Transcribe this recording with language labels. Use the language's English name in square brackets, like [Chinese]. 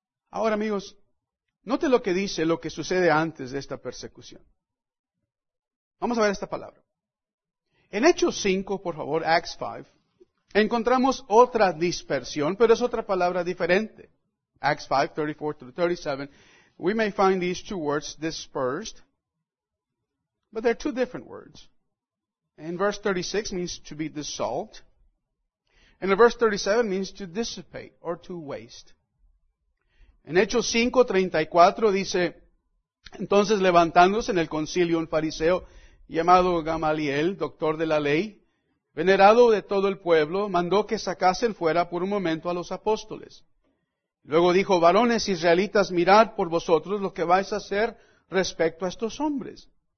[Spanish] Ahora, amigos, note lo que dice, lo que sucede antes de esta persecución. Vamos a ver esta palabra. En Hechos 5, por favor, Acts 5, encontramos otra dispersión, pero es otra palabra diferente. [English] Acts 5:34-37, we may find these two words dispersed, but they're two different words. And verse 36 means to be dissolved, and in verse 37 means to dissipate or to waste. [Spanish] En Hechos 5:34 dice, entonces levantándose en el concilio un fariseo llamado Gamaliel, doctor de la ley, venerado de todo el pueblo, mandó que sacasen fuera por un momento a los apóstoles. Luego dijo, varones israelitas, mirad por vosotros lo que vais a hacer respecto a estos hombres.